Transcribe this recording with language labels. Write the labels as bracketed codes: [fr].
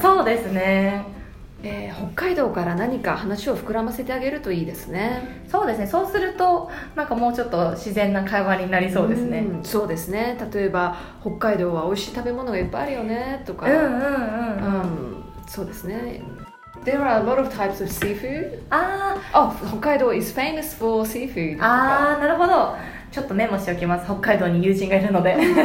[ja] そうですね、北海道から何か話を膨らませてあげるといいですね。そうですね、そうするとなんかもうちょっと自然な会話になりそうですね。うん、そうですね、例えば北海道は美味しい食べ物がいっぱいあるよねとか、うんうんうんうん、そうですね。 [en] There are a lot of types of seafood. Ah, oh, Hokkaido is famous for seafood. [ja] Ah, なるほど。ちょっとメモしておきます。北海道に友人がいるので。